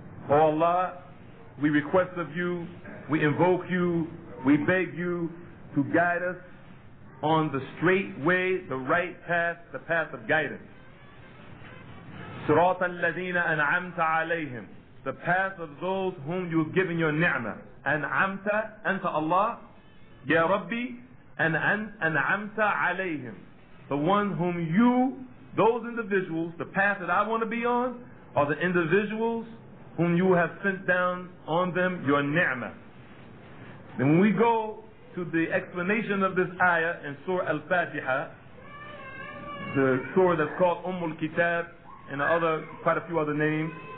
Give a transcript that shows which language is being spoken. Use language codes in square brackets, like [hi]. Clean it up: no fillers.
[en] Oh Allah, we request of you, we invoke you, we beg you to guide us on the straight way, the right path, the path of guidance. [ar] صراط الذين أنعمت عليهم. [en] The path of those whom you have given your ni'mah. [ar] أنعمت, أنت Allah, يا ربي, أنعمت عليهم. [en] The one whom you, those individuals, the path that I want to be on, are the individuals whom you have sent down on them your ni'mah. Then when we go to the explanation of this ayah in Surah Al-Fatiha, the surah that's called Ummul Kitab, and other, quite a few other names.